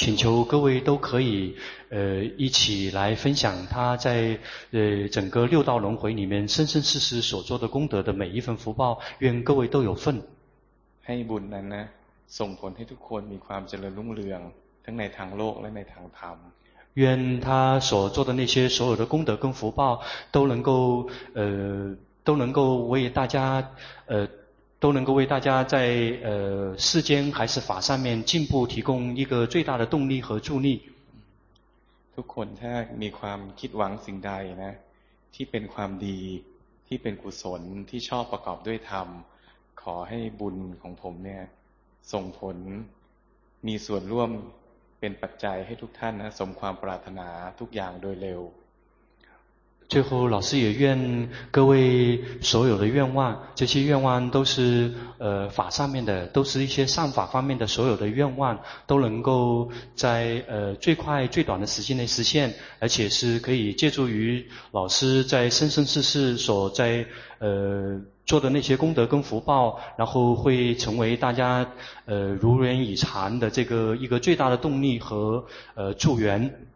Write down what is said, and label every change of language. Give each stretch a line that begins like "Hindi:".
Chinese: 请求各位都可以一起来分享他在整个六道轮回里面生生世世所做的功德的每一份福报愿各位都有份
Thai: ให้บุญนั้นนะส่งผลให้ทุกคนมีความเจริญรุ่งเรืองทั้งในทางโลกและในทางธรรม
Chinese: 愿他所做的那些所有的功德跟福报都能够为大家都能够为大家在世间还是法上面进步提供一个最大的动力和助力
Thai: ทุกคนถ้ามีความคิดหวังสิ่งใดนะที่เป็นความดีที่เป็นกุศลที่ชอบประกอบด้วยธรรมขอให้บุญของผมเนี่ยส่งผลมีส่วนร่วมเป็นปัจจัยให้ทุกท่านนะสมความปรารถนาทุกอย่างโดยเร็ว
Chinese: 最后老师也愿各位所有的愿望这些愿望都是法上面的都是一些善法方面的所有的愿望都能够在最快最短的时间内实现而且是可以借助于老师在生生世世所在做的那些功德跟福报然后会成为大家如愿以偿的这个一个最大的动力和助缘